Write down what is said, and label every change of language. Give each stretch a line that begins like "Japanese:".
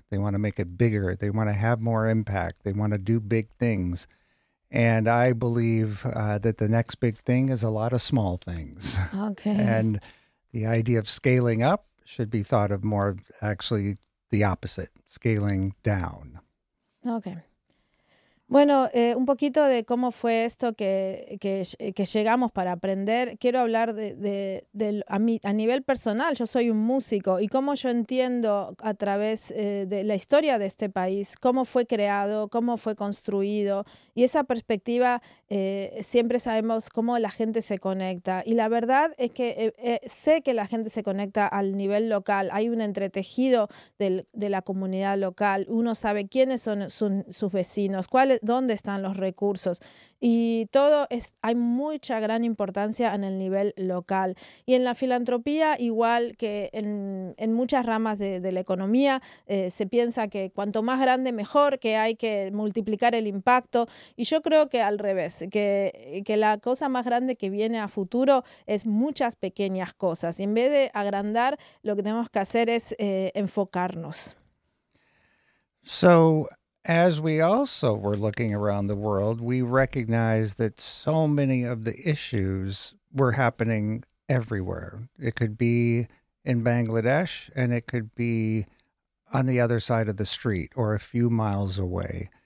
English: They want to make it bigger. They want to have more impact. They want to do big things. And I believe that the next big thing is a lot of small things. Okay. And the idea of scaling up should be thought of more actually the opposite, scaling down. Okay.
Spanish: Bueno, un poquito de cómo fue esto que llegamos para aprender. Quiero hablar a nivel personal. Yo soy un músico, y cómo yo entiendo a través de la historia de este país, cómo fue creado, cómo fue construido. Y esa perspectiva, siempre sabemos cómo la gente se conecta. Y la verdad es que sé que la gente se conecta al nivel local. Hay un entretejido de la comunidad local. Uno sabe quiénes son sus vecinos, dónde están los recursos, y todo es, hay mucha gran importancia en el nivel local. Y en la filantropía, igual que en muchas ramas de la economía, se piensa que cuanto más grande mejor, que hay que multiplicar el impacto, y yo creo que al revés, que la cosa más grande que viene a futuro es muchas pequeñas cosas, y en vez de agrandar, lo que tenemos que hacer es enfocarnos.
English: So as we also were looking around the world, we recognized that so many of the issues were happening everywhere. It could be in Bangladesh, and it could be on the other side of the street or a few miles away.